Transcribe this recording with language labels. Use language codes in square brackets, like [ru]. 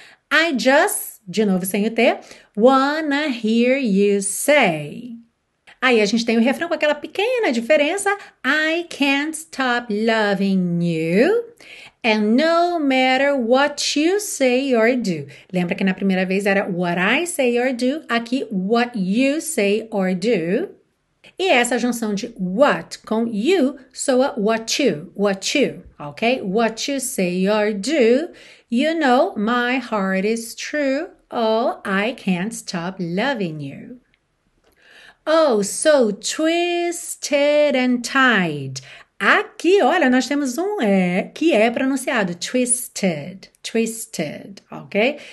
[en] I just, [pt] de novo sem o T, [en] wanna hear you say. [pt] Aí a gente tem o refrão com aquela pequena diferença. [en] I can't stop loving you. And no matter what you say or do. [pt] Lembra que na primeira vez era [en] what I say or do. [pt] Aqui, [en] what you say or do. [pt] E essa junção de what com you soa [en] what you, [pt] ok? [en] What you say or do. You know my heart is true. Oh, I can't stop loving you. Oh, so twisted and tied. [pt] Aqui, olha, nós temos um E que é pronunciado, twisted, ok?